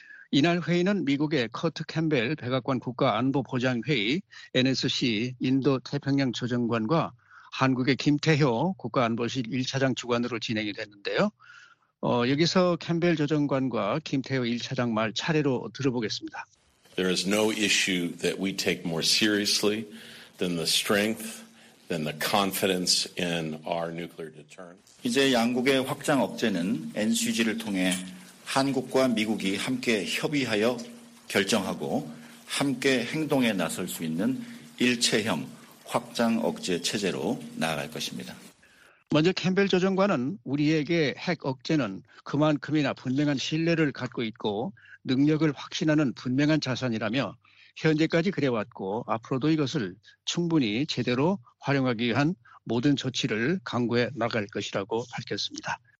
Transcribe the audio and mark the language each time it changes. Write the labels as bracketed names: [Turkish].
[Korean] 이날 회의는 미국의 커트 캠벨 백악관 국가안보보장회의 NSC 인도태평양 조정관과 한국의 김태효 국가안보실 1차장 주관으로 진행이 됐는데요. 여기서 캠벨 조정관과 김태효 1차장 말 차례로 들어보겠습니다. [English] There is no issue that we take more seriously than the strength, than the confidence in our nuclear deterrence. [Korean] 이제 양국의 확장 억제는 NCG를 통해 한국과 미국이 함께 협의하여 결정하고 함께 행동에 나설 수 있는 일체형 확장 억제 체제로 나아갈 것입니다. 먼저 캠벨 조정관은 우리에게 핵 억제는 그만큼이나 분명한 신뢰를 갖고 있고 능력을 확신하는 분명한 자산이라며 현재까지 그래왔고 앞으로도 이것을 충분히 제대로 활용하기 위한 모든 조치를 강구해 나갈 것이라고 밝혔습니다.